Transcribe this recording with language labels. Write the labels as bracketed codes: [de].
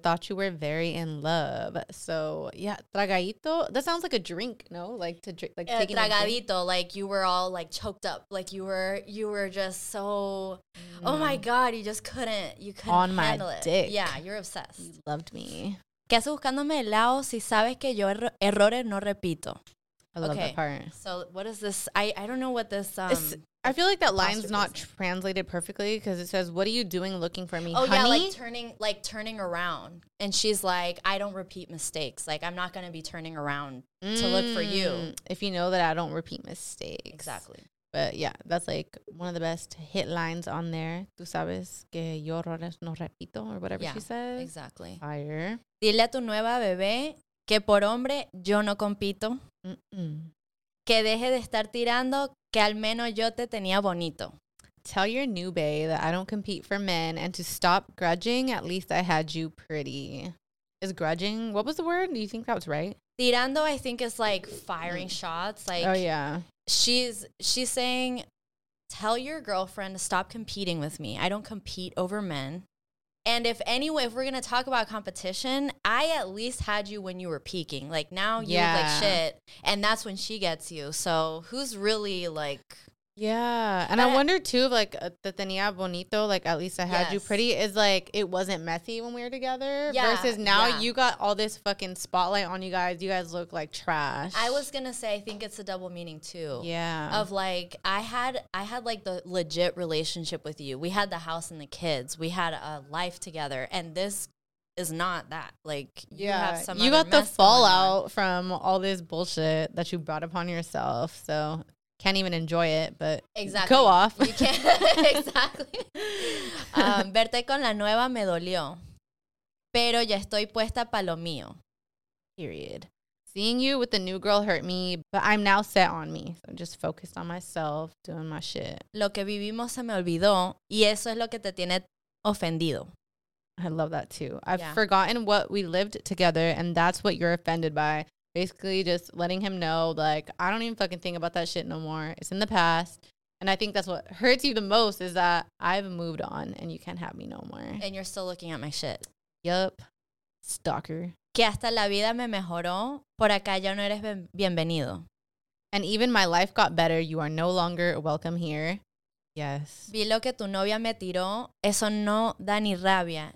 [en] Thought you were very in love. So, yeah, tragadito. That sounds like a drink, no? Like to drink, like taking [es] tragadito. [en] Like you were all like choked up. Like you were just so. Mm. Oh my God, you just couldn't. You couldn't on my handle it. Dick. Yeah, you're obsessed. You loved me. [es] ¿Qué haces buscándome el lado si sabes que yo errores no repito? [en] I love that part. So, what is this? I don't know what this. I feel like that line's not translated perfectly because it says, what are you doing looking for me, honey? Oh, yeah, like turning around. And she's like, I don't repeat mistakes. Like, I'm not going to be turning around to look for you. If you know that I don't repeat mistakes. Exactly. But, yeah, that's, like, one of the best hit lines on there. [es] Tú sabes que yo errores no repito [en] or whatever she says. Exactly. Fire. [es] Dile a tu nueva bebé que por hombre yo no compito. Mm-mm. Que deje de estar tirando que al menos yo te tenía bonito. [en] Tell your new bae that I don't compete for men and to stop grudging, at least I had you pretty. Is grudging, what was the word? Do you think that was right? Tirando, I think, is like firing shots. Like, oh, yeah. She's saying, tell your girlfriend to stop competing with me. I don't compete over men. And if we're going to talk about competition, I at least had you when you were peaking. Like, now you look like shit, and that's when she gets you. So who's really, like... Yeah, and I wonder, too, like, [es] te tenía bonito, [en] like, at least I had you pretty, is, like, it wasn't messy when we were together versus now you got all this fucking spotlight on you guys. You guys look like trash. I was going to say, I think it's a double meaning, too. Yeah. Of, like, I had like, the legit relationship with you. We had the house and the kids. We had a life together, and this is not that. Like, you have some You got the fallout from all this bullshit that you brought upon yourself, so... Can't even enjoy it, but exactly. Go off. You can't. Exactly. [es] Verte con la nueva me dolió, pero ya estoy puesta pa lo mío. [en] Period. Seeing you with the new girl hurt me, but I'm now set on me. So I'm just focused on myself, doing my shit. [es] Lo que vivimos se me olvidó, y eso es lo que te tiene ofendido. [en] I love that too. I've forgotten what we lived together, and that's what you're offended by. Basically just letting him know, like, I don't even fucking think about that shit no more. It's in the past. And I think that's what hurts you the most is that I've moved on and you can't have me no more. And you're still looking at my shit. Yup. Stalker. [es] Que hasta la vida me mejoró, por acá ya no eres bienvenido. [en] And even my life got better, you are no longer welcome here. Yes. [es] Vi lo que tu novia me tiró, eso no da ni rabia.